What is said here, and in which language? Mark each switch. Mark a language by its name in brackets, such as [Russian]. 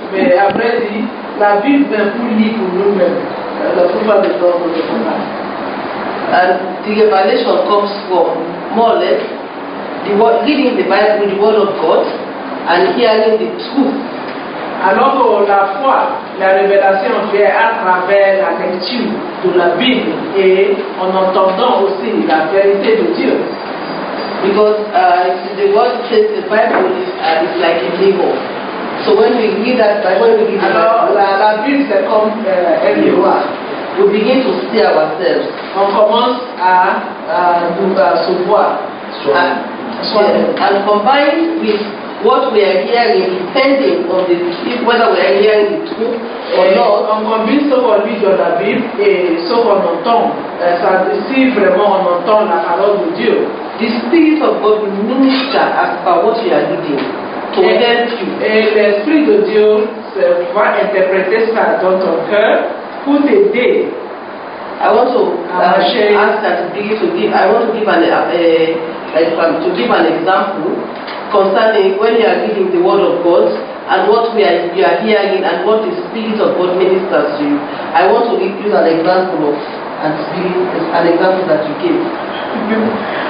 [French] mais après dit, la Bible vient pour lire pour nous-mêmes. La plupart des gens ne le font pas. [English] And the revelation comes from more or less the word, reading the Bible, the Word of God, and hearing the truth. [French] Alors que la foi, la révélation vient à travers la lecture de la Bible et en entendant aussi la vérité de Dieu. [English] Because the word says the Bible is like a mirror. So when we read that Bible, we begin. [French] Alors la Bible c'est comme un miroir. [English] We begin to see ourselves. [French] On commence à se voir. [English] And combined with what we are hearing, depending on the truth, whether we are hearing the truth or not. [French] On combine ce qu'on lit dans la Bible et ce qu'on entend. Ça dit si vraiment on entend la parole de Dieu. [English] The Spirit of God will minister as per what you are reading to help you. [French] Et l'Esprit de Dieu va interpréter ça dans ton cœur pour t'aider. [English] I want to ask that Biggie to give. I want to give an example concerning when you are reading the Word of God and what you are hearing and what the Spirit of God ministers to you. I want to use an example of an example that you gave.